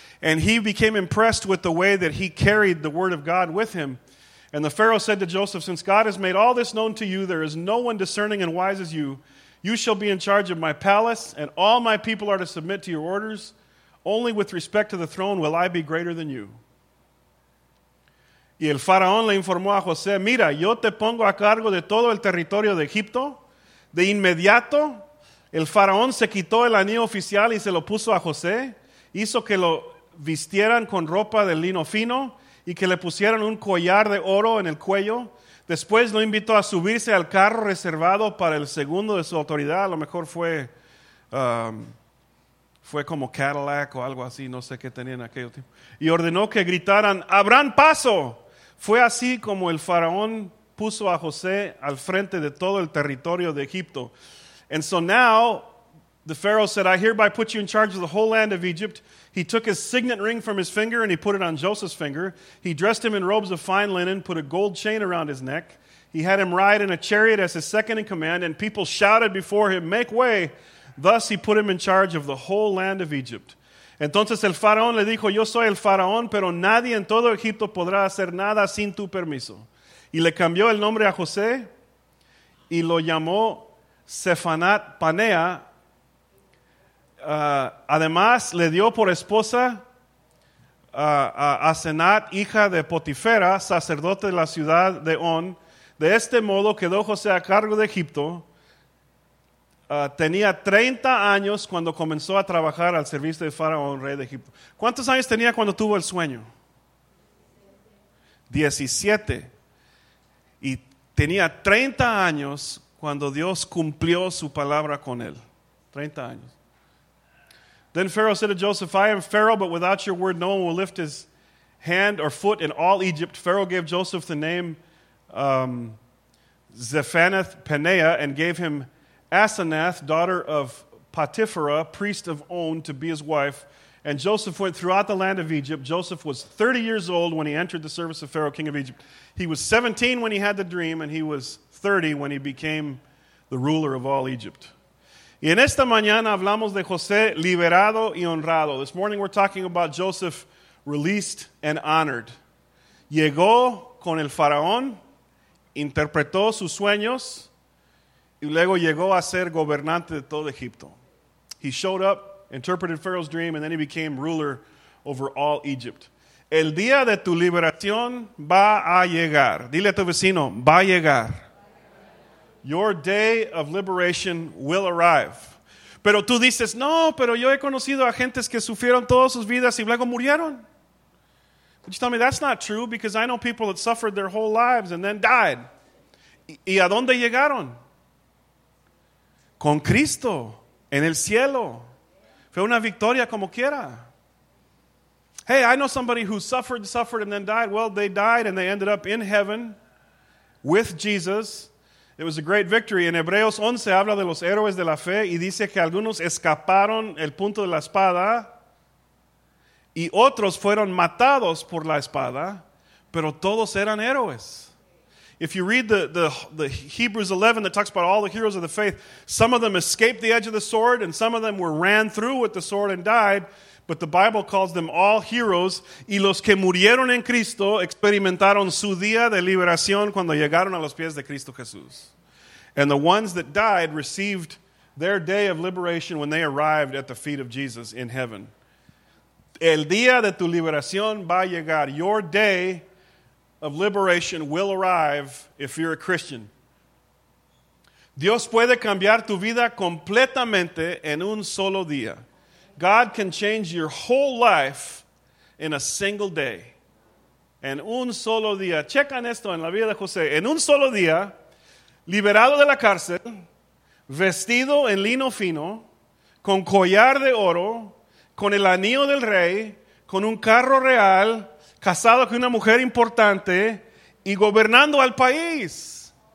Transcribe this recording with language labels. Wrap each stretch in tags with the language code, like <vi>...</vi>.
<en>And he became impressed with the way that he carried the word of God with him. And the Pharaoh said to Joseph, "Since God has made all this known to you, there is no one discerning and wise as you. You shall be in charge of my palace, and all my people are to submit to your orders. Only with respect to the throne will I be greater than you."</en> <es>Y el faraón le informó a José, "Mira, yo te pongo a cargo de todo el territorio de Egipto." De inmediato, el faraón se quitó el anillo oficial y se lo puso a José. Hizo que lo vistieran con ropa de lino fino y que le pusieran un collar de oro en el cuello. Después lo invitó a subirse al carro reservado para el segundo de su autoridad. A lo mejor fue fue como Cadillac o algo así, no sé qué tenían en aquel tiempo. Y ordenó que gritaran, "¡Abran paso!" Fue así como el faraón puso a José al frente de todo el territorio de Egipto.</es> <en>And so now, the Pharaoh said, "I hereby put you in charge of the whole land of Egypt." He took his signet ring from his finger and he put it on Joseph's finger. He dressed him in robes of fine linen, put a gold chain around his neck. He had him ride in a chariot as his second in command, and people shouted before him, "Make way!" Thus he put him in charge of the whole land of Egypt.</en> <es>Entonces el faraón le dijo, "Yo soy el faraón, pero nadie en todo Egipto podrá hacer nada sin tu permiso." Y le cambió el nombre a José y lo llamó Sefanat Panea. Además le dio por esposa Asenat, hija de Potifera, sacerdote de la ciudad de On. De este modo quedó José a cargo de Egipto. Tenía 30 años cuando comenzó a trabajar al servicio de Faraón, rey de Egipto. ¿Cuántos años tenía cuando tuvo el sueño? 17. Y tenía 30 años cuando Dios cumplió su palabra con él. 30 años.</es> <en>Then Pharaoh said to Joseph, I am Pharaoh, but without your word no one will lift his hand or foot in all Egypt. Pharaoh gave Joseph the name Zephanath-Paneah and gave him Asenath, daughter of Potipharah, priest of On, to be his wife. And Joseph went throughout the land of Egypt. Joseph was 30 years old when he entered the service of Pharaoh, king of Egypt. He was 17 when he had the dream, and he was 30 when he became the ruler of all Egypt.</en> <es>Y en esta mañana hablamos de José liberado y honrado.</es> <en>This morning we're talking about Joseph released and honored.</en> <es>Llegó con el faraón, interpretó sus sueños, y luego llegó a ser gobernante de todo Egipto.</es> <en>He showed up, interpreted Pharaoh's dream, and then he became ruler over all Egypt.</en> <es>El día de tu liberación va a llegar. Dile a tu vecino, va a llegar.</es> <en>Your day of liberation will arrive.</en> <es>Pero tú dices, no, pero yo he conocido a gentes que sufrieron todas sus vidas y luego murieron.</es> <en>But you tell me, that's not true, because I know people that suffered their whole lives and then died.</en> <es>¿Y a dónde llegaron? Con Cristo, en el cielo. Fue una victoria como quiera.</es> <en>Hey, I know somebody who suffered, and then died. Well, they died, and they ended up in heaven with Jesus. It was a great victory.</en> <es>En Hebreos 11 habla de los héroes de la fe y dice que algunos escaparon el punto de la espada y otros fueron matados por la espada, pero todos eran héroes.</es> <en>If you read the Hebrews 11 that talks about all the heroes of the faith, some of them escaped the edge of the sword and some of them were ran through with the sword and died, but the Bible calls them all heroes.</en> <es>Y los que murieron en Cristo experimentaron su día de liberación cuando llegaron a los pies de Cristo Jesús.</es> <en>And the ones that died received their day of liberation when they arrived at the feet of Jesus in heaven.</en> <es>El día de tu liberación va a llegar.</es> <en>Your day of liberation will arrive if you're a Christian.</en> <es>Dios puede cambiar tu vida completamente en un solo día.</es> <en>God can change your whole life in a single day.</en> <es>En un solo día. Checan esto en la vida de José. En un solo día, liberado de la cárcel, vestido en lino fino, con collar de oro, con el anillo del rey, con un carro real, casado con una mujer importante y gobernando al país.</es>